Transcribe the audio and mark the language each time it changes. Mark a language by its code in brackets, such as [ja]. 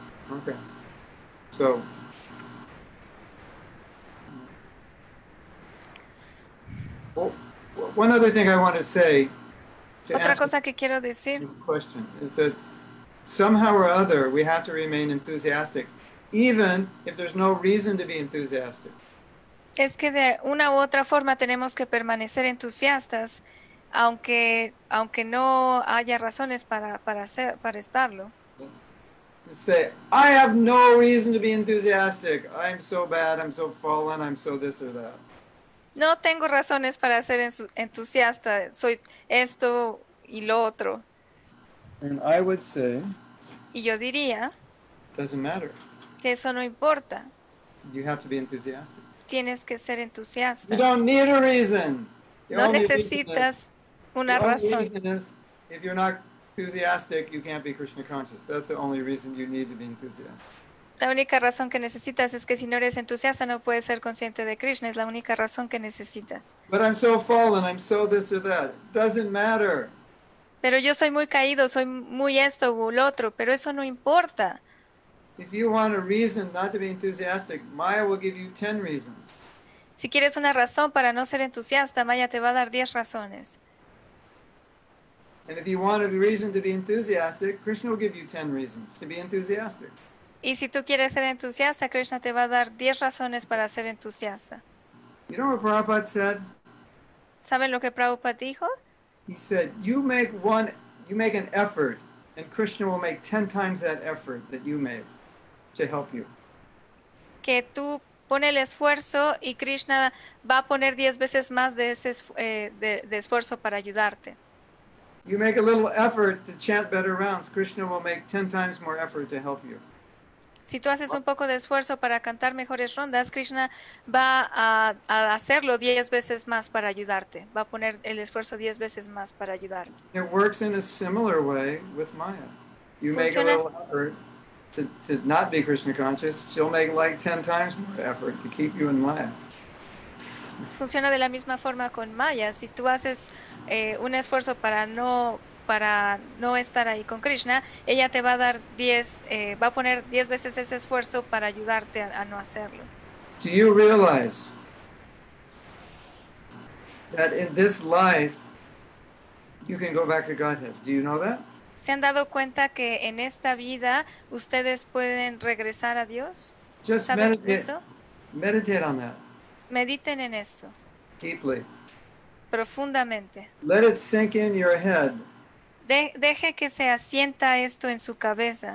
[en] Okay. So well, one other thing I want to say to [es] otra [en] answer [es] cosa que quiero decir. [en] Your question is that somehow or other, we have to remain enthusiastic, even if there's no reason to be enthusiastic. [es] Es que de una u otra forma tenemos que permanecer entusiastas, aunque no haya razones para estarlo. [en] Say, I have no reason to be enthusiastic. I'm so bad, I'm so fallen, I'm so this or that. [es] No tengo razones para ser entusiasta. Soy esto y lo otro. [en] And I would say, [es] y yo diría, [en] doesn't matter. [es] Que eso no importa. [en] You have to be enthusiastic. [es] Tienes que ser entusiasta. [en] You don't need a reason. The [es] no necesitas una razón. [en] If you're not enthusiastic, you can't be Krishna conscious. That's the only reason you need to be enthusiastic. [es] La única razón que necesitas es que si no eres entusiasta no puedes ser consciente de Krishna. Es la única razón que necesitas. [en] But I'm so fallen, I'm so this or that. Doesn't matter. [es] Pero yo soy muy caído, soy muy esto o lo otro, pero eso no importa. [en] If you want a reason not to be enthusiastic, Maya will give you 10 reasons. [es] Si quieres una razón para no ser entusiasta, Maya te va a dar 10 razones. [en] And if you want a reason to be enthusiastic, Krishna will give you 10 reasons to be enthusiastic. [es] Y si tú quieres ser entusiasta, Krishna te va a dar 10 razones para ser entusiasta. [en] You know what Prabhupada said? [es] ¿Saben lo que Prabhupada dijo? [en] He said, you make an effort, and Krishna will make 10 times that effort that you made. to help you. [es] Que tú pone el esfuerzo y Krishna va a poner 10 veces más de ese de esfuerzo para ayudarte. [en] You make a little effort to chant better rounds, Krishna will make 10 times more effort to help you. [es] Si tú haces un poco de esfuerzo para cantar mejores rondas, Krishna va a hacerlo 10 veces más para ayudarte. Va a poner el esfuerzo 10 veces más para ayudarte. [en] It works in a similar way with Maya. You make a little effort to not be Krishna conscious, she'll make like 10 times more effort to keep you in Maya. [es] Funciona de la misma forma con Maya. Si tú haces un esfuerzo para no estar ahí con Krishna, ella te va a dar 10, va a poner 10 veces ese esfuerzo para ayudarte a no hacerlo. [en] Do you realize that in this life you can go back to Godhead? Do you know that? [es] ¿Se han dado cuenta que en esta vida ustedes pueden regresar a Dios? [en] Just [es] ¿Saben eso? [en] Meditate on that. [es] Mediten en esto. [en] Deeply. [es] Profundamente. [en] Let it sink in your head. [es] Deje que se asienta esto en su cabeza.